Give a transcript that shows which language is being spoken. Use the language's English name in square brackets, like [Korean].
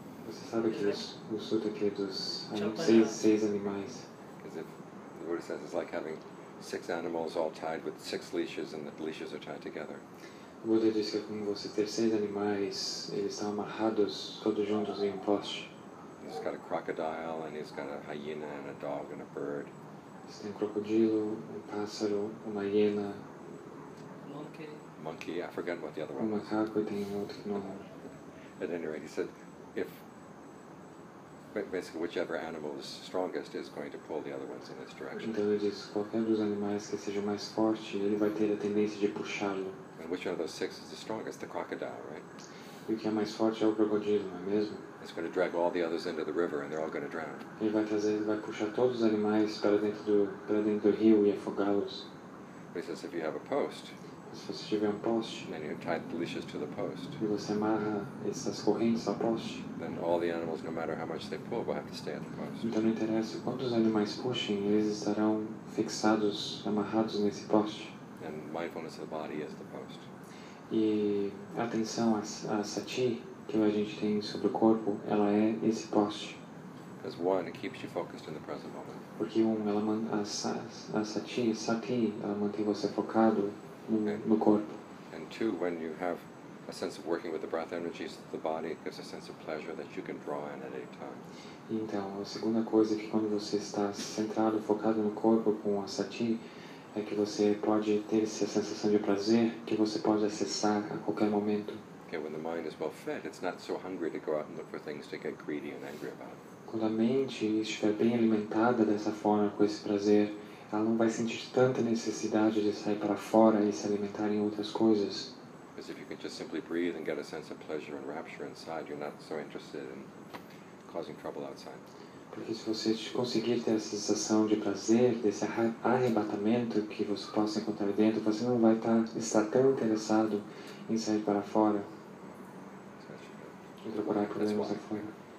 [Portuguese] Você sabe que o sutra que é dos seis animais. [English] Because if the Buddha says it's like having six animals all tied with six leashes and the leashes are tied together. [Portuguese] O Buddha diz que é como você ter seis animais, eles estão amarrados todos juntos em um poste. [English] He's got a crocodile and he's got a hyena and a dog and a bird. [Portuguese] Você tem um crocodilo, um pássaro, uma hiena. [English] Monkey, I forget what the other one. [Portuguese] Um macaco e tem outro que não. [English] At any rate, he said, if basically whichever animal is strongest is going to pull the other ones in its direction. [Portuguese] Então ele diz, qualquer dos animais que seja mais forte, ele vai ter a tendência de puxá-lo. [English] And which one of those six is the strongest? The crocodile, right? [Portuguese] E o que é mais forte é o crocodilo, não é mesmo? [English] It's going to drag all the others into the river and they're all going to drown. [Portuguese] Ele vai puxar todos os animais para dentro do rio e afogá-los. [English] He says, if you have a post, [Portuguese] se você tiver um poste, [English] and you tie the leashes to the post, [Portuguese] e você amarra essas correntes ao poste, [English] then all the animals, no matter how much they pull, will have to stay at the post. [Portuguese] Então não interessa quantos animais puxem, eles estarão fixados, amarrados nesse poste. [English] And mindfulness of the body is the post. [Portuguese] E atenção a sati que a gente tem sobre o corpo, ela é esse poste. [English] Because one, it keeps you focused in the present moment. [Portuguese] Porque ela a sati, ela mantém você focado. No corpo. [English] And two, when you have a sense of working with the breath energies of the body, it gives a sense of pleasure that you can draw in at any time. [Portuguese] Então, a segunda coisa é que quando você está centrado, focado no corpo com a sati, é que você pode ter essa sensação de prazer que você pode acessar a qualquer momento. [English] Okay, when the mind is well fed, it's not so hungry to go out and look for things to get greedy and angry about. [Portuguese] Quando a mente estiver bem alimentada dessa forma, com esse prazer, ela não vai sentir tanta necessidade de sair para fora e se alimentar em outras coisas. [English] As if you can just simply breathe and get a sense of pleasure and rapture inside, you're not so interested in causing trouble outside. [Portuguese] Porque se você conseguir ter essa sensação de prazer, desse arrebatamento que você possa encontrar dentro, você não vai estar tão interessado em sair para fora e procurar problemas lá fora.